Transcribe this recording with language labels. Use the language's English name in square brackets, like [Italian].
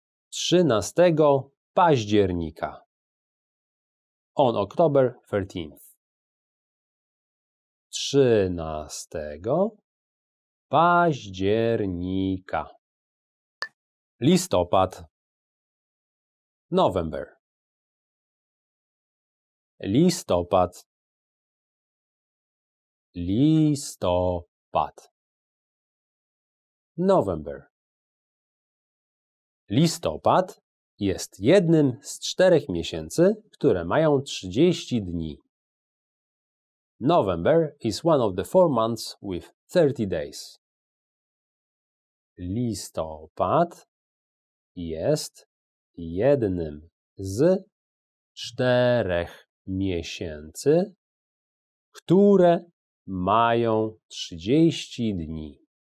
[Polish] 13 października, [English] on October 13th, [Polish] 13 października, listopad, [English] November, [Polish] listopad, listopad, [English] November. [Polish] Listopad jest jednym z 4 miesięcy, które mają 30 dni. [English] November is one of the 4 months with 30 days. [Polish] Listopad jest jednym z 4 miesięcy, które mają 30 dni.